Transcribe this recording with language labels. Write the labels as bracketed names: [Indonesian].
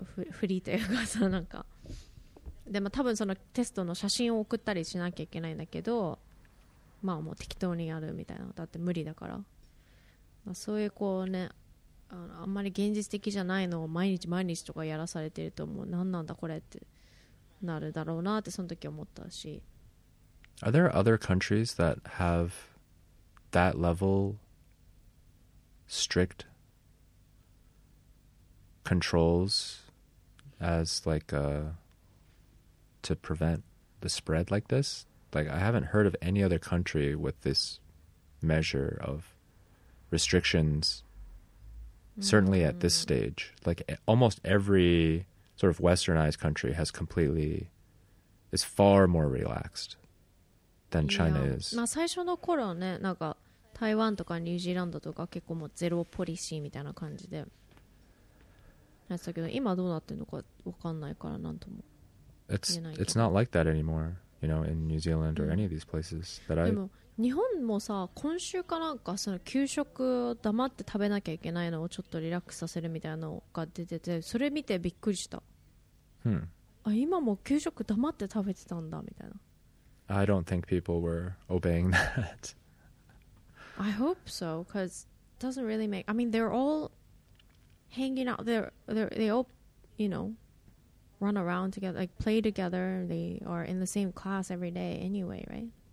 [Japanese] フリーというかさ、なんかで、まあ、多分そのテストの写真を送ったりしなきゃいけないんだけど、まあもう適当にやるみたいな、だって無理だから、まあ、そういうこうね、あんまり現実的じゃないのを毎日毎日とかやらされてると、もう何なんだこれってなるだろうなってその時思ったし。 [English] Are there other countries that have that level strictcontrols as like to prevent the spread like this? Like, I haven't heard of any other country with this measure of restrictions, certainly at this stage. Like, almost every sort of westernized country has completely is far more relaxed than China is. [Japanese] まあ最初の頃ね、なんか台湾とかニュージーランドとか結構もうゼロポリシーみたいな感じで。やったけど今どうなってるのかわかんないからなんとも言えないけど。 [English] It's not like that anymore, you know, in New Zealand or any of these places that I... [Japanese] でも日本もさ、今週かなんかその給食を黙って食べなきゃいけないのをちょっとリラックスさせるみたいなのが出てて、それ見てびっくりした。あ、今も給食黙って食べてたんだみたいな。 [English] I don't think people were obeying that. I hope so, because it doesn't really make... I mean, they're all... hanging out, they all, you know, run around together, like play together, they are in the same class every day anyway, right?